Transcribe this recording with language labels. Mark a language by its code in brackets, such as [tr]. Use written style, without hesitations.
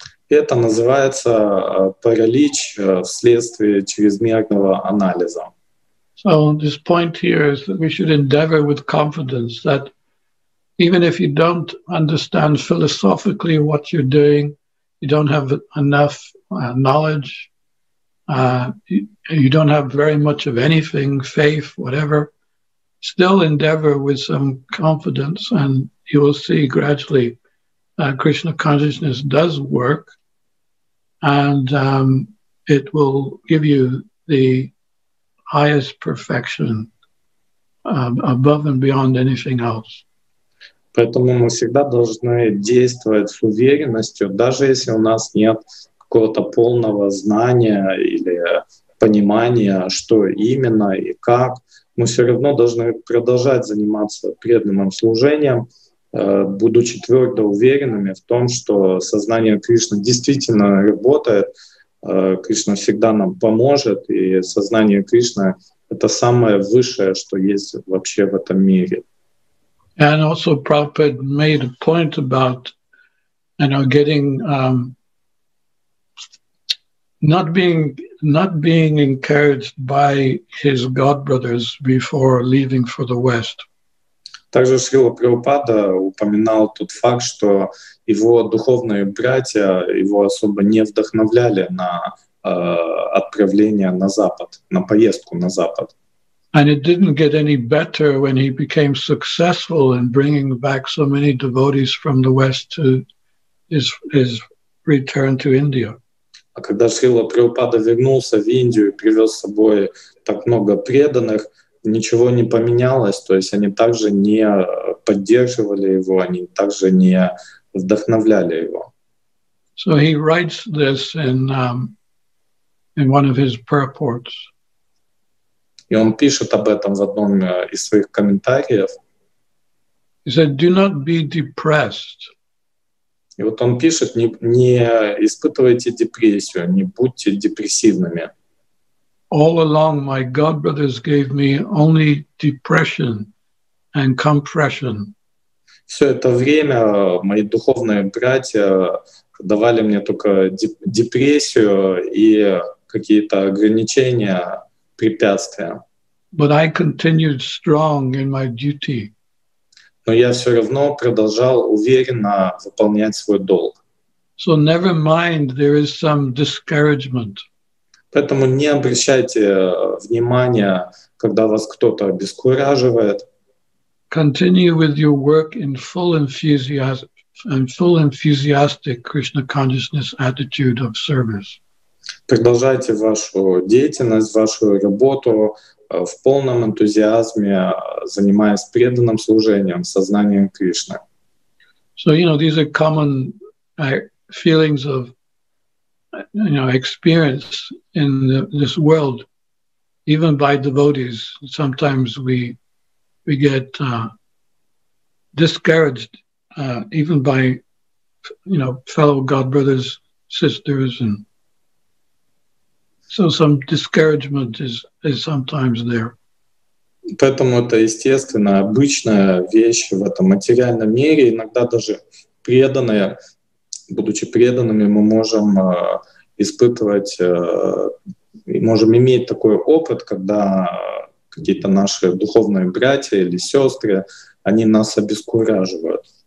[ru] Это называется паралич вследствие чрезмерного анализа. [en] So this point here is that we should endeavor with confidence that even if you don't understand philosophically what you're doing, you don't have enough knowledge, you don't have very much of anything, faith, whatever, still endeavor with some confidence, and you will see gradually that Krishna consciousness does work, and it will give you the highest perfection above and beyond anything else. [ru] Поэтому мы всегда должны действовать с уверенностью, даже если у нас нет какого-то полного знания или понимания, что именно и как. Мы все равно должны продолжать заниматься преданным служением, будучи твердо уверенными в том, что сознание Кришны действительно работает, Кришна всегда нам поможет, и сознание Кришны — это самое высшее, что есть вообще в этом мире. [en] And also Prabhupada made a point about, you know, getting not being encouraged by his godbrothers before leaving for the West. [ru] Также Шрила Прабхупада упоминал тот факт, что его духовные братья его особо не вдохновляли на отправление на Запад, на поездку на Запад. [en] And it didn't get any better when he became successful in bringing back so many devotees from the West to his return to India. [ru] А когда Шрила Прабхупада вернулся в Индию и привез с собой так много преданных, ничего не поменялось, то есть они также не поддерживали его, они также не вдохновляли его. [en] So he writes this in one of his purports. [ru] И он пишет об этом в одном из своих комментариев. [en] He said, "Do not be depressed." [ru] И вот он пишет: не испытывайте депрессию, не будьте депрессивными. [en] All along, my God brothers gave me only depression and compression. [ru] Все это время мои духовные братья давали мне только депрессию и какие-то ограничения, препятствия. [en] But I continued strong in my duty. [ru] Но я все равно продолжал уверенно выполнять свой долг. [en] So never mind, there is some discouragement. [ru] Поэтому не обращайте внимания, когда вас кто-то обескураживает. [en] Continue with your work in full enthusiasm and full enthusiastic Krishna consciousness attitude of service. [ru] Продолжайте вашу деятельность, вашу работу в полном энтузиазме, занимаясь преданным служением, сознанием Кришны. [en] So, you know, these are common feelings of, you know, experience in this world, even by devotees. Sometimes we get discouraged, even by, you know, fellow God brothers, sisters, and so some discouragement is sometimes there. [ru] Поэтому это естественно, обычная вещь в этом материальном мире. Иногда даже преданные, будучи преданными, мы можем испытывать, можем иметь такой опыт, когда какие-то наши духовные братья или сестры, они нас обескураживают.